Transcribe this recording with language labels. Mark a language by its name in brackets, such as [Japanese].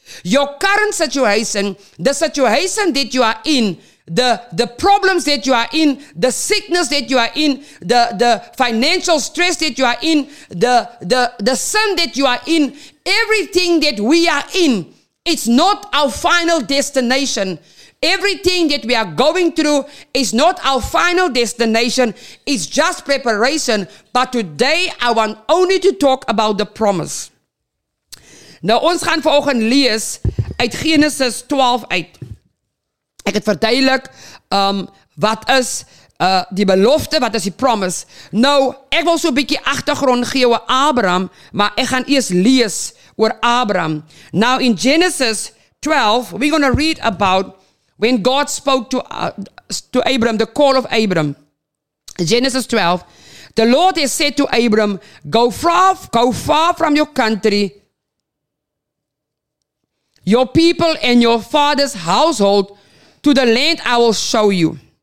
[English] Your current situation, the situation that you are in, the problems that you are in, the sickness that you are in, the financial stress that you are in, the sin that you are in, everything that we are in, it's not our final destination. Everything that we are going through is not our final destination. It's just preparation. But today I want only to talk about the promise. [Afrikaans] Nou, ons gaan vanoggend lees uit Genesis 12 uit. Ek het verduidelik wat is die belofte, wat is die promise. Nou, ek wil so 'n bietjie agtergrond gee oor Abraham, maar ek gaan eers lees oor Abraham. [English] Now, in Genesis 12, we're going to read about when God spoke to Abraham, the call of Abraham. Genesis 12, the Lord has said to Abraham, go far from your country, your people and your father's household, to the land I will show you.